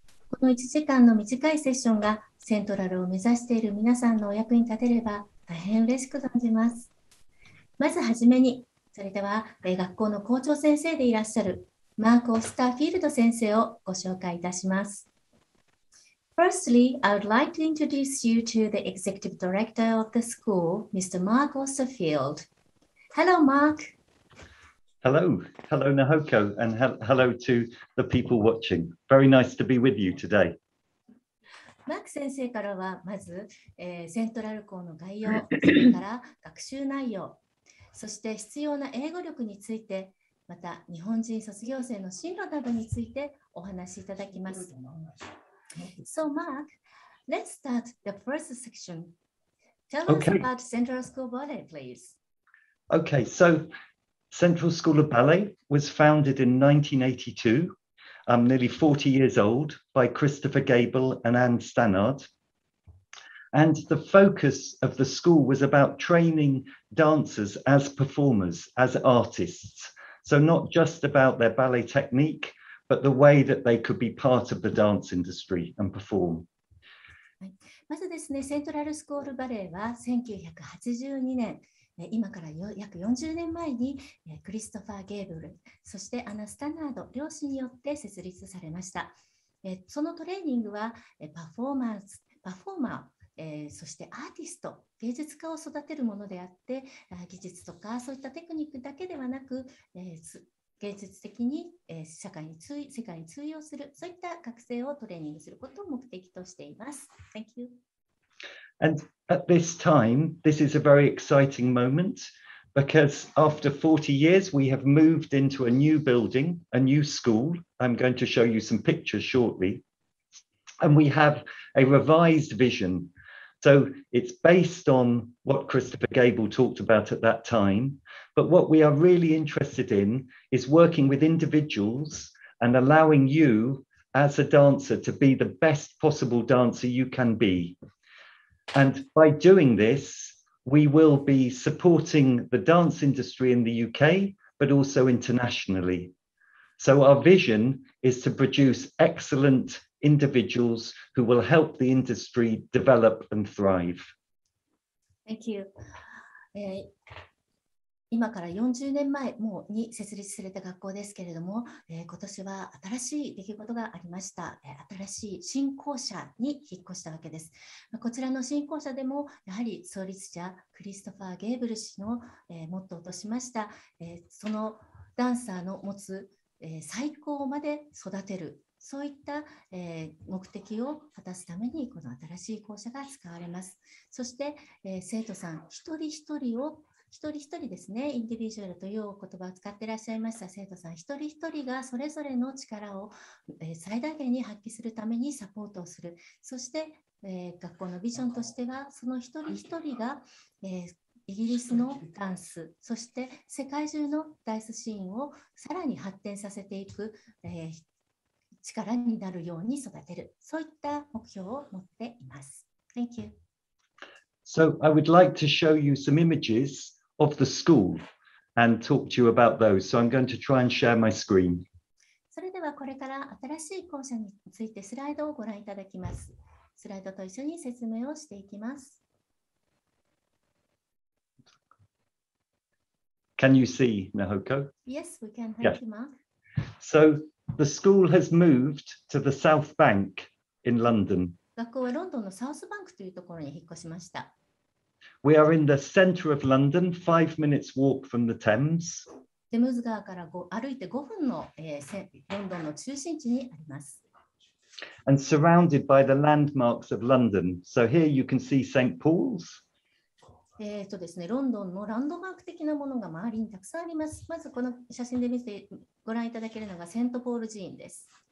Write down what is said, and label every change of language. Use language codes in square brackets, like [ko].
[ja] この1時間の短いセッションがセントラルを目指している皆さんのお役に立てれば大変嬉しく感じます。まずはじめに、それでは学校の校長先生でいらっしゃるマーク・オスター・フィールド先生をご紹介いたします。 [en] Firstly, I would like to introduce you to the executive director of the school, Mr. Mark Osterfield. Hello, Mark. Hello, hello Nahoko, and hello to the people watching. Very nice to be with you today. [ja] Mark 先生からは、まず、セントラル校の概要、それから学習内容、そして必要な英語力について、また日本人卒業生の進路などについてお話しいただきます。 [en] So Mark, let's start the first section. Tell us about Central School Ballet, please. Okay, so Central School of Ballet was founded in 1982, nearly 40 years old, by Christopher Gable and Anne Stannard. And the focus of the school was about training dancers as performers, as artists. So not just about their ballet technique,But the way that they could be part of the dance industry and perform. [ja] まずですね、セントラルスクールバレエは1982年、今から約40年前にクリストファー・ゲーブル、そしてアナ・スタナード、両親によって設立されました。そのトレーニングはパフォーマー、そしてアーティスト、芸術家を育てるものであって、技術とかそういったテクニックだけではなく、芸術的に社会に通世界に通用する、そういった学生をトレーニングすることを目的としています。 [en] Thank you. And at this time, this is a very exciting moment because after 40 years, we have moved into a new building, a new school. I'm going to show you some pictures shortly. And we have a revised vision. So it's based on what Christopher Gable talked about at that time. But what we are really interested in is working with individuals and allowing you as a dancer to be the best possible dancer you can be. And by doing this, we will be supporting the dance industry in the UK, but also internationally. So our vision is to produce excellent individuals who will help the industry develop and thrive. Thank you. [ja] 今から40年前もに設立された学校ですけれども、今年は新しい出来事がありました。新しい新校舎に引っ越したわけです。こちらの新校舎でも、やはり創立者クリストファー・ゲーブル氏の、モットーとしました、そのダンサーの持つ、最高まで育てる、そういった、目的を果たすためにこの新しい校舎が使われます。そして、生徒さん一人一人を一人一人ですね、インディビジュアルという言葉を使ってらっしゃいました生徒さん、一人一人がそれぞれの力を最大限に発揮するためにサポートをする。そして、学校のビジョンとしては、その一人一人が、イギリスのダンス、そして世界中のダンスシーンをさらに発展させていく、力になるように育てる。そういった目標を持っています。 [en] Thank you. So I would like to show you some images of the school and talk to you about those. So I'm going to try and share my screen. [ja] それではこれから新しい校舎についてスライドをご覧いただきます。スライドと一緒に説明をしていきます。 [en] Can you see, Nahoko? Yes, we can. Thank you, Mark. So the school has moved to the South Bank in London. [ja] 学校はロンドンのサウスバンクというところに引っ越しました。 [en] We are in the center of London, 5 minutes walk from the Thames. [ja] テムズ川から歩いて5分の、ロンドンの中心地にあります。 [en] and surrounded by the landmarks of London. So here you can see St. Paul's. [ja] ですね、ロンドンのランドマーク的なものが周りにたくさんあります。まずこの写真で見てご覧いただけるのがセントポール寺院です。